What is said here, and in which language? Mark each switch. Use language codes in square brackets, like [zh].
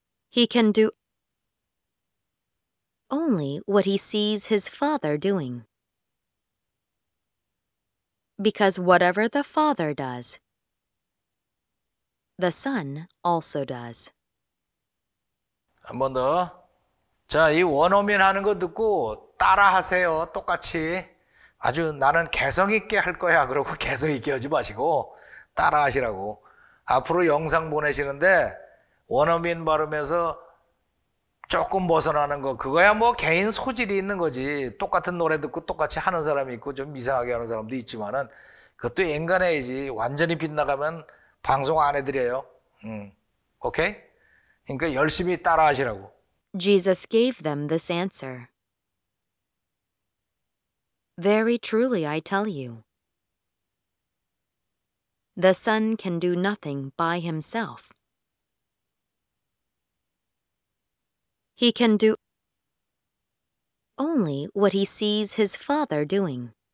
[en] He can do only what He sees His Father doing. Because whatever the Father does, the Son also does. [ko] 한 번 더. 자, 이 원어민 하는 거 듣고 따라하세요. 똑같이. 아주 나는 개성 있게 할 거야. 그러고 개성 있게 하지 마시고 따라하시라고. 앞으로 영상 보내시는데 원어민 발음에서 조금 벗어나는 거. 그거야 뭐 개인 소질이 있는 거지. 똑같은 노래 듣고 똑같이 하는 사람이 있고 좀 이상하게 하는 사람도 있지만은 그것도 인간애이지. 완전히 빗나가면 방송 안 해드려요. 오케이? 그러니까 열심히 따라하시라고. [en] Jesus gave them this answer. Very truly I tell you, the Son can do nothing by himself. He can do only what he sees his Father doing.